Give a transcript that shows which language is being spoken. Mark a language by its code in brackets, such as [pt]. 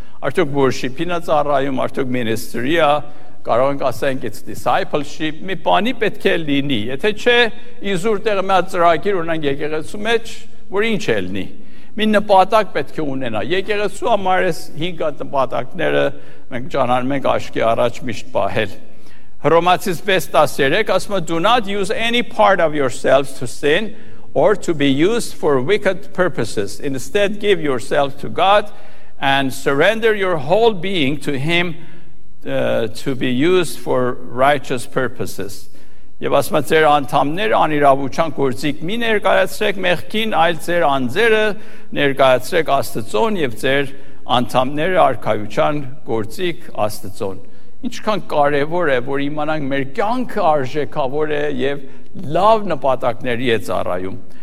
[hy] արդյոք worship-ին է ծառայում, արդյոք ministry-ի է, կարող ենք ասենք [en] it's discipleship, [hy] մի բանի պետք է լինի, եթե չէ, իզուր տեղը մի հատ ծրագիր ունենք եկեղեցու մեջ, որ ինչ է լինի, մի նպատակ պետք է ունենա։ Եկեղեցու համար ես 5 հատ նպատակները մենք ճանանում ենք աչքի առաջ միշտ պահել։ Հրոմացից 6:13 ասում է, [en] do not use any part of yourselves to sin or to be used for wicked purposes. Instead, give yourself to God and surrender your whole being to Him to be used for righteous purposes. [hy] Եվ ասում է, ձեր անդամներ անիրավության գործիք մի ներկայացրեք մեղքին, այլ ձեր անձերը ներկայացրեք Աստծոն, և ձեր անդամները արքայության գործիք Աստծոն։ ինչքան կարևոր է, որ իմանանք մեր կյանքը արժեքավոր է եւ լավ նպատակներ է ծառայում.